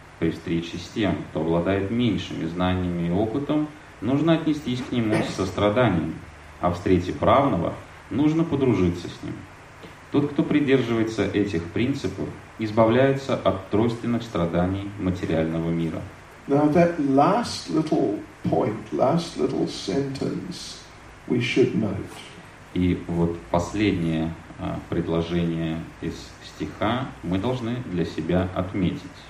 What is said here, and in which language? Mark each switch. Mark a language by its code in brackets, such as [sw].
[ru] При встрече с тем, кто обладает меньшими знаниями и опытом, нужно отнестись к нему с состраданием, а в встрече правного нужно подружиться с ним. Тот, кто придерживается этих принципов, избавляется от тройственных страданий материального мира. [en] Now that last little point, last little sentence we should note. [ru] И вот последнее предложение из стиха мы должны для себя отметить.